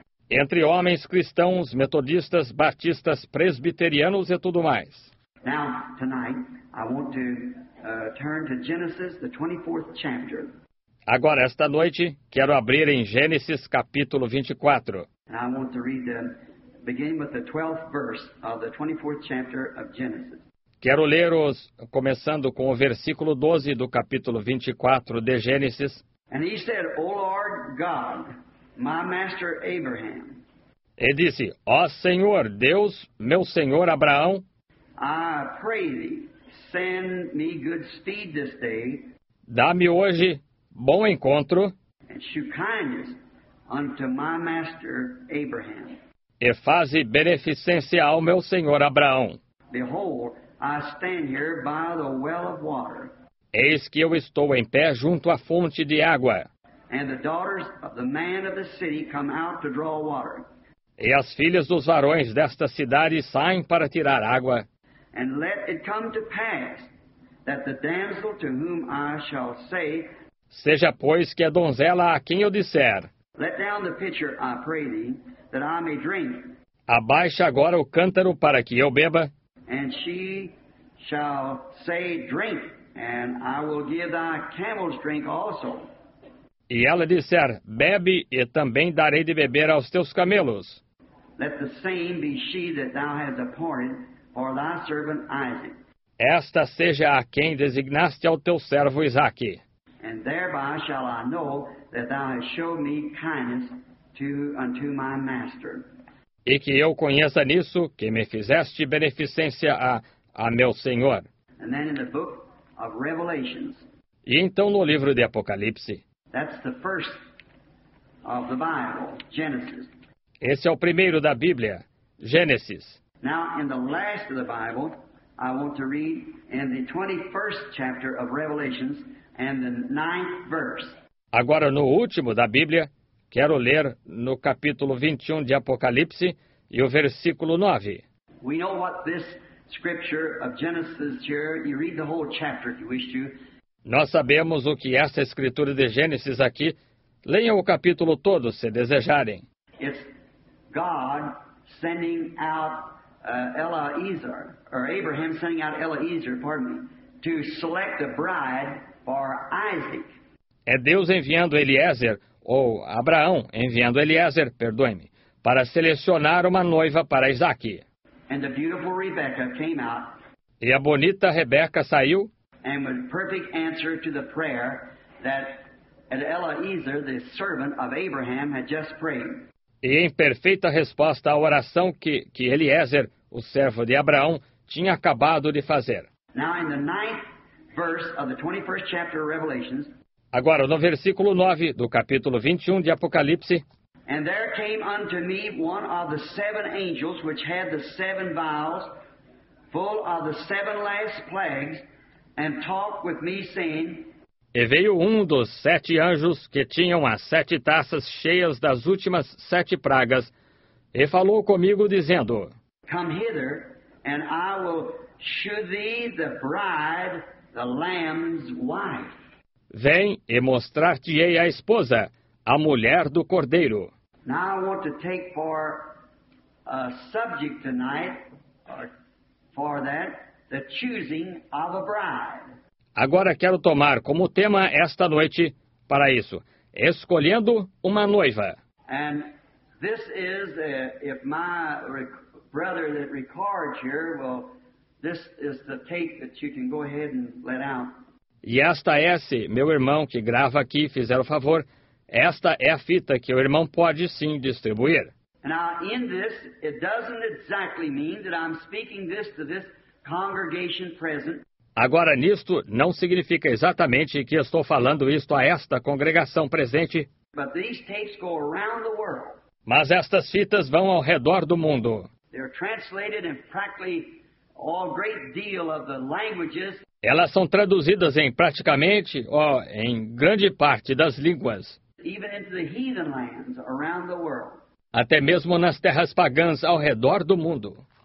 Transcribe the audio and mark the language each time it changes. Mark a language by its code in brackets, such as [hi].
[pt] Entre homens cristãos, metodistas, batistas, presbiterianos e tudo mais. [en] Now, tonight, I want to turn to Genesis, the 24th chapter. [pt] Agora, esta noite, quero abrir em Gênesis, capítulo 24. [en] And I want to read the beginning with the 12th verse of the 24th chapter of Genesis. [pt] Quero ler começando com o versículo 12 do capítulo 24 de Gênesis. [en] And he said, O Lord God, my master Abraham. [pt] E disse, ó Senhor, Deus, meu Senhor Abraão. [en] I pray thee, send me good speed this day. [pt] Dá-me hoje bom encontro. [en] And shew kindness unto my master Abraham. [pt] E faze beneficência ao meu senhor Abraão. [en] Behold, I stand here by the well of water. [pt] Eis que eu estou em pé junto à fonte de água. [en] And the daughters of the man of the city come out to draw water. [pt] E as filhas dos varões desta cidade saem para tirar água. [en] And let it come to pass that the damsel to whom I shall say, [pt] seja pois que a donzela a quem eu disser, [en] let down the pitcher, I pray thee, that I may drink. [pt] Abaixa agora o cântaro para que eu beba. [en] And she shall say, drink, and I will give thy camels drink also. [pt] E ela disser, bebe, e também darei de beber aos teus camelos. [en] Let the same be she that thou hast appointed for thy servant Isaac. [pt] Esta seja a quem designaste ao teu servo Isaque. [en] And thereby shall I know that thou hast showed me kindness unto my master. [pt] E que eu conheça nisso que me fizeste beneficência a meu senhor. [en] And then in the book of Revelations. [pt] E então no livro de Apocalipse. [en] That's the first of the Bible, Genesis. [pt] Esse é o primeiro da Bíblia, Gênesis. [en] Now in the last of the Bible, I want to read in the 21st chapter of Revelations and the 9th verse. [pt] Agora no último da Bíblia, quero ler no capítulo 21 de Apocalipse e o versículo 9. [en] We know what this scripture of Genesis here, you read the whole chapter if you wish to. [pt] Nós sabemos o que essa escritura de Gênesis aqui. Leiam o capítulo todo, se desejarem. [en] It's God sending out Eliezer, or Abraham sending out Eliezer, pardon me, to select a bride for Isaac. [pt] É Deus enviando Eliezer, ou Abraão enviando Eliezer, perdoe-me, para selecionar uma noiva para Isaac. [en] And the beautiful Rebecca came out. [pt] E a bonita Rebeca saiu. [en] And with perfect answer to the prayer that Eliezer, the servant of Abraham, had just prayed. [pt] E em perfeita resposta à oração que Eliezer, o servo de Abraão, tinha acabado de fazer. [en] Now in the 9th verse of the 21st chapter of Revelations. [pt] Agora no versículo 9 do capítulo 21 de Apocalipse. [en] And there came unto me one of the seven angels which had the seven vials full of the seven last plagues. And talk with me, saying, [pt] e veio um dos sete anjos que tinham as sete taças cheias das últimas sete pragas, e falou comigo, dizendo, [en] come hither, and I will shew thee the bride, the Lamb's wife. [pt] Vem e mostrar-te-ei a esposa, a mulher do Cordeiro. [en] Now I want to take for a subject tonight, for that, the choosing of a bride. [pt] Agora quero tomar como tema esta noite para isso, escolhendo uma noiva. [en] And this is if my brother that records here, well, this is the tape that you can go ahead and let out. [pt] E esta é, se meu irmão que grava aqui fizer o favor, esta é a fita que o irmão pode sim distribuir. [en] Now in this, it doesn't exactly mean that I'm speaking this to this congregation present. [pt] Agora nisto não significa exatamente que estou falando isto a esta congregação presente. [en] But these tapes go around the world. [pt] Mas estas fitas vão ao redor do mundo. [en] They're translated in practically a great deal of the languages. [pt] Elas são traduzidas em praticamente, em grande parte das línguas. [en] Even into the heathen lands around the world. [pt] Até mesmo nas terras pagãs ao redor do mundo.